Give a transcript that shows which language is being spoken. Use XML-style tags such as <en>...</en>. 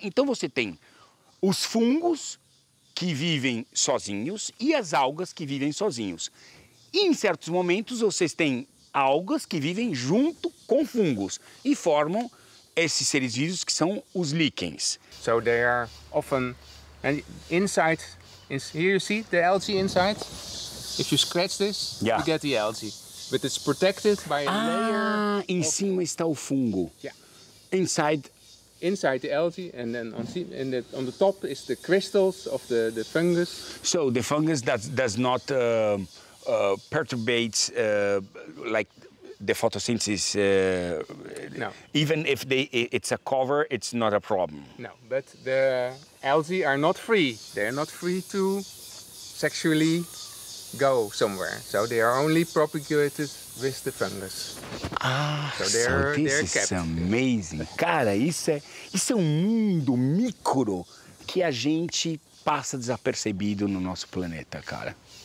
<pt>Então você tem os fungos que vivem sozinhos e as algas que vivem sozinhos. E em certos momentos vocês têm algas que vivem junto com fungos e formam esses seres vivos que são os líquens.</pt> <en>So they are often and inside is here you see the algae inside. If you scratch this, yeah, you get the algae, but it's protected by a layer.</en> <pt>Ah, em cima está o fungo.</pt> <en>Yeah. Inside the algae, and then on the top is the crystals of the fungus. So the fungus that does not perturbates like the photosynthesis. No. Even if it's a cover, it's not a problem. No, but the algae are not free. They are not free to sexually go somewhere. So they are only propagated with the fungus. Ah, so this is amazing.</en> <pt>Cara, isso é um mundo micro que a gente passa desapercebido no nosso planeta, cara.</pt>